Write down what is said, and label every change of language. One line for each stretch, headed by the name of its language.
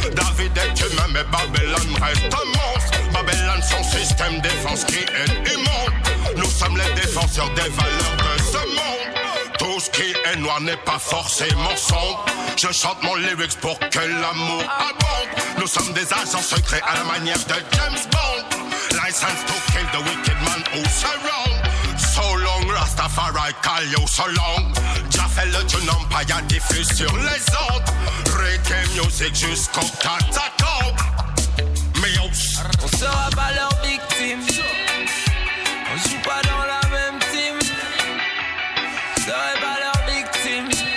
French: David est humain mais Babylone reste un monstre. Babylone son système défense qui est immonde. Nous sommes les défenseurs des valeurs de ce monde. Tout ce qui est noir n'est pas forcément sombre. Je chante mon lyrics pour que l'amour abonde. Nous sommes des agents secrets à la manière de James Bond.
English: License to kill the wicked man who surround. So long, Rastafari, call you so long.
French: J'ai fait le tune empire diffuse sur les ondes.
English: Reggae music
French: jusqu'au catacombe. Mios. On sera pas leur victime. On joue pas dans la même team. On sera pas leur victime.